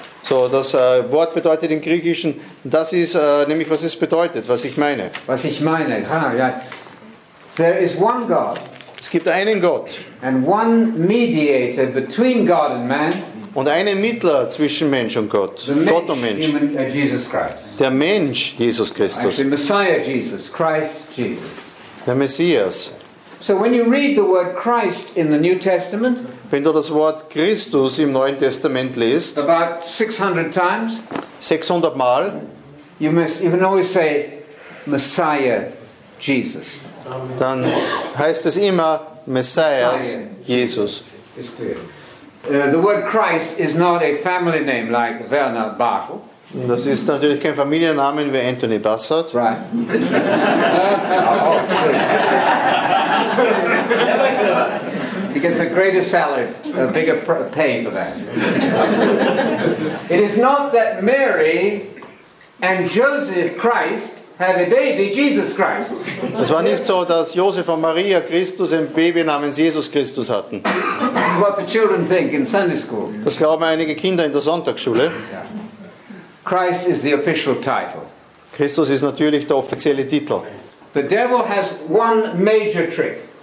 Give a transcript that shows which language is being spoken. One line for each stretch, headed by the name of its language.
German: So, das Wort bedeutet im Griechischen, das ist nämlich, was es bedeutet, was ich meine. Was ich meine, ja.
English: There is one God.
German: Es gibt einen Gott.
English: And one mediator between God and man.
German: Und einen Mittler zwischen Mensch und Gott. Gott und Mensch.
English: Jesus Christ.
German: Der Mensch Jesus Christus.
English: The Messiah Jesus Christ Jesus.
German: Der Messias.
English: So when you read the word Christ in the New Testament,
German: wenn du das Wort Christus im Neuen Testament liest,
English: about 600 times,
German: 600 Mal,
English: you can always say Messiah Jesus.
German: Dann heißt es immer Messias Jesus.
English: The word Christ is not a family name like Werner Bartel.
German: Das ist natürlich kein Familiennamen wie Anthony Bassett.
English: Right. He gets a greater salary, a bigger pay for that. It is not that Mary and Joseph Christ have a baby, Jesus Christ.
German: Es war nicht so, dass Josef und Maria Christus ein Baby namens Jesus Christus hatten.
English: This is what the children think in Sunday school.
German: Das glauben einige Kinder in der Sonntagsschule.
English: Yeah. Christ is the official title.
German: Christus ist natürlich der offizielle Titel.
English: The devil has one major trick.